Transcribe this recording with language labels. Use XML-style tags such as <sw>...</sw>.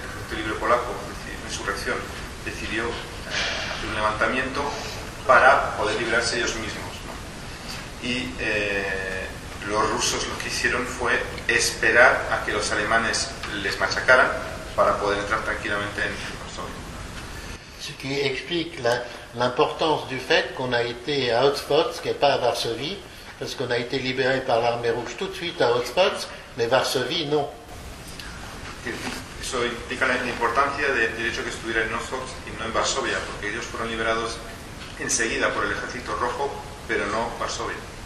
<es>El libre polaco, insurrección, decidió hacer un levantamiento para poder liberarse ellos mismos, ¿no? Y los rusos lo que hicieron fue esperar a que los alemanes les machacaran para poder entrar tranquilamente en Varsovia.</es> <fr>Ce qui explique l'importance du fait qu'on a été à Otwock et pas à Varsovie, parce qu'on a été libéré par l'armée rouge tout de suite à Otwock, mais Varsovie non.</fr> <es>Eso implica la importancia del hecho que estuviera en Otwock y no en Varsovia, porque ellos fueron liberados enseguida por el Ejército Rojo, pero no Varsovia.</es>